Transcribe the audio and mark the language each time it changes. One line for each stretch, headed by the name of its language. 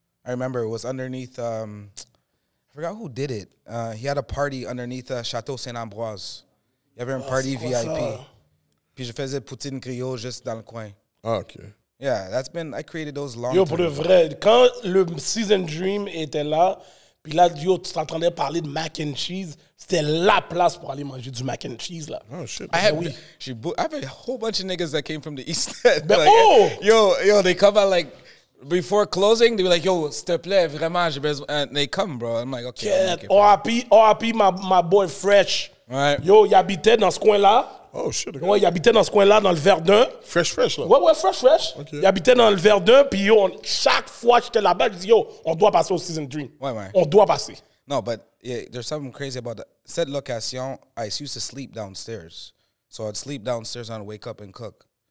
English: I remember it was underneath, I forgot who did it. He had a party underneath
French: Château Saint-Ambroise. Il y avait un party VIP. Ça? Puis je faisais poutine griot juste dans le coin. Ah, OK.
English: Yeah, that's been... I created those long...
French: Yo, pour de vrai, quand le Season Dream était là, puis là, yo, tu t'entendais parler de mac and cheese, c'était la place pour aller manger du mac and cheese, là.
English: Oh, shit. I have a whole bunch of niggas that came from the East End. Ben, like, oh! Yo, they come out, like, before closing, they be like, yo,
French: s'il te plaît, vraiment, j'ai besoin...
English: And they come, bro. I'm like, OK. R.I.P. my boy Fresh. Right.
French: Yo, il habitait dans ce coin-là.
English: Oh shit. Okay.
French: Ouais, il habitait dans ce coin-là, dans le Verdun. Fresh, là. Ouais, fresh. Okay. Il habitait dans le Verdun, puis yo, chaque fois que j'étais là-bas, je dis, yo, on doit passer au Season Dream. Ouais. On doit passer.
English: Non, but yeah, there's something crazy about that.
French: Cette location,
English: I used to sleep downstairs. So I'd sleep downstairs and I'd wake up and cook.